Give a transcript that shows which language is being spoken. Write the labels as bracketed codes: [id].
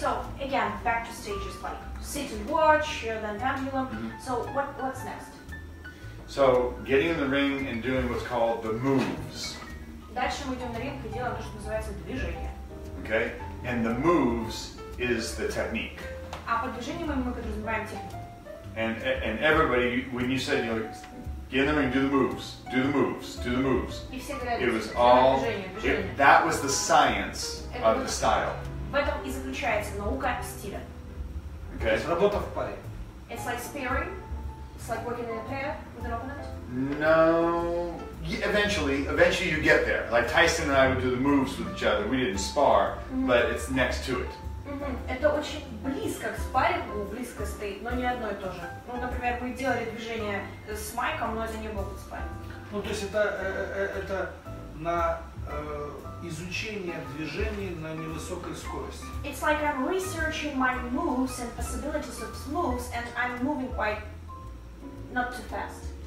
[en] So, again, back to stages, like sit and watch, then pendulum. Mm-hmm. So, what's next? So, getting in the ring and doing what's called the moves. [ru] Дальше мы идем на ринг и делаем то, что называется движение. [en] Okay, and the moves is the technique. [ru] А под движением мы подразумеваем технику. [en] And everybody, when you said, you know, get in the ring, do the moves. It was all, that was the science of the style. [ru] В этом и заключается наука стиля. [en] Okay. [ru] Работа в паре. [en] It's like sparring, It's like working in a pair with an opponent? No. Yeah, eventually you get there. Like Tyson and I would do the moves with each other. We didn't spar, mm-hmm. but it's next to it. [ru] Это очень близко к спаррингу, близко стоит, но не одно и то же. Ну, например, вы делали движение с Майком, но это не было спарринг. Ну, то есть это на изучение движений на невысокой скорости. [en] It's like I'm researching my moves and possibilities of moves, and I'm moving quite not too fast.